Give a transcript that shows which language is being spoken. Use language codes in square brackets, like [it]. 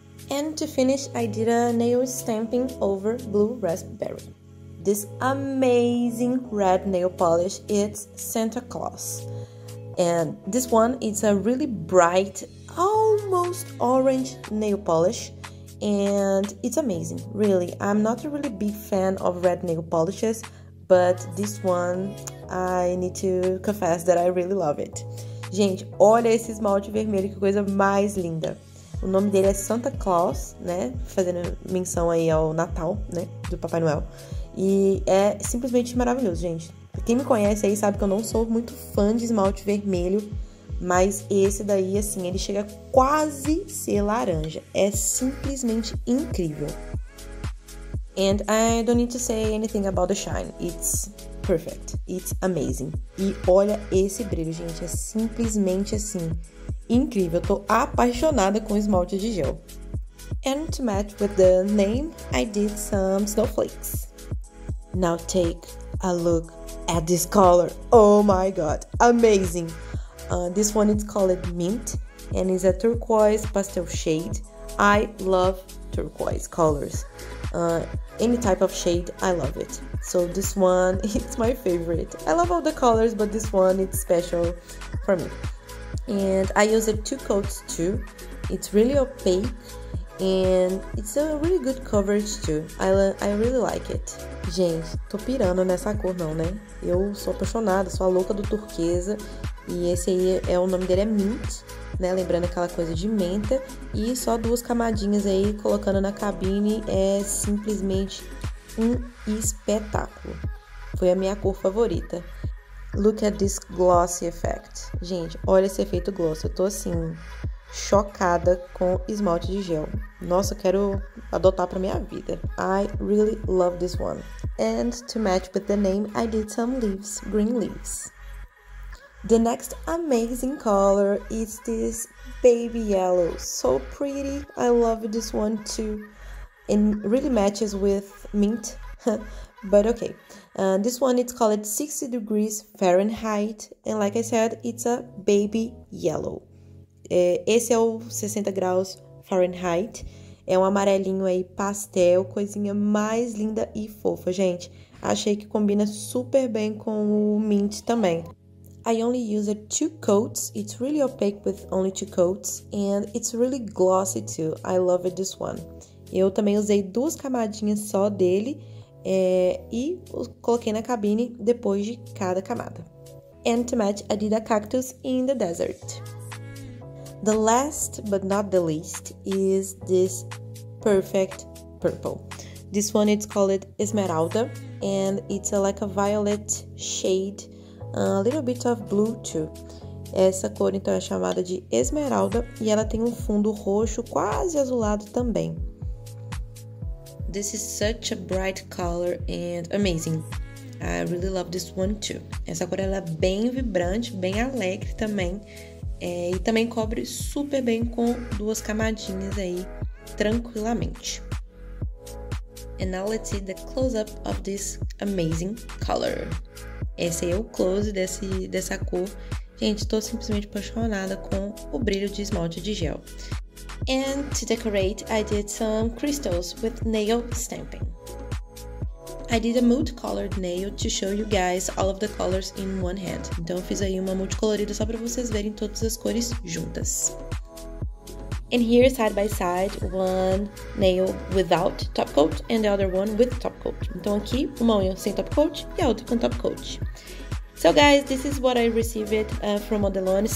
[en] And to finish, I did a nail stamping over blue raspberry. This amazing red nail polish, it's Santa Claus. And this one is a really bright, almost orange nail polish. And it's amazing, really. I'm not a really big fan of red nail polishes, but this one, I need to confess that I really love it. [pt] Gente, olha esse esmalte vermelho, que coisa mais linda. O nome dele é Santa Claus, né? Fazendo menção aí ao Natal, né? Do Papai Noel. E é simplesmente maravilhoso, gente. Quem me conhece aí sabe que eu não sou muito fã de esmalte vermelho. Mas esse daí, assim, ele chega a quase ser laranja. É simplesmente incrível. [en] And I don't need to say anything about the shine. It's perfect. It's amazing. [pt] E olha esse brilho, gente. É simplesmente, assim, incrível. Eu tô apaixonada com esmalte de gel. [en] And to match with the name, I did some snowflakes. Now take a look at this color. Oh my god, amazing. This one is called Mint, and is a turquoise pastel shade. I love turquoise colors. Any type of shade, I love it. So this one, it's my favorite. I love all the colors, but this one, it's special for me. And I use it 2 coats too. It's really opaque, and it's a really good coverage too. I really like it. [pt] Gente, tô pirando nessa cor não, né? Eu sou apaixonada, sou a louca do turquesa. E esse aí, é o nome dele é Mint, né? Lembrando aquela coisa de menta. E só 2 camadinhas aí, colocando na cabine, é simplesmente um espetáculo. Foi a minha cor favorita. [en] Look at this glossy effect. [pt] Gente, olha esse efeito gloss. Eu tô assim, chocada com esmalte de gel. Nossa, eu quero adotar pra minha vida. [en] I really love this one. And to match with the name, I did some leaves, green leaves. The next amazing color is this baby yellow. So pretty. I love this one too. And really matches with mint. But okay. This one, it's called 60 degrees Fahrenheit. And like I said, it's a baby yellow. [pt] Esse é o 60 graus Fahrenheit. É um amarelinho aí pastel, coisinha mais linda e fofa, gente. Achei que combina super bem com o mint também. [en] I only use two coats. It's really opaque with only two coats. And it's really glossy too. I love this one. [pt] Eu também usei duas camadinhas só dele. E coloquei na cabine depois de cada camada. [en] And to match, I did a cactus in the desert. The last, but not the least, is this perfect purple. This one is called Esmeralda. And it's like a violet shade. A little bit of blue too. [pt] Essa cor então é chamada de esmeralda e ela tem um fundo roxo quase azulado também. [en] This is such a bright color and amazing. I really love this one too. [pt] Essa cor ela é bem vibrante, bem alegre também. E também cobre super bem com duas camadinhas aí, tranquilamente. [en] And now let's see the close-up of this amazing color. [pt] Esse aí é o close dessa cor. Gente, estou simplesmente apaixonada com o brilho de esmalte de gel. [en] And to decorate, I did some crystals with nail stamping. I did a multicolored nail to show you guys all of the colors in one hand. [pt] Então, eu fiz aí uma multicolorida só para vocês verem todas as cores juntas. [en] And here, side by side, one nail without top coat and the other one with top coat. [pt] Então, aqui, uma unha sem top coat e a outra com top coat. [en] So, guys, this is what I received from Modelones.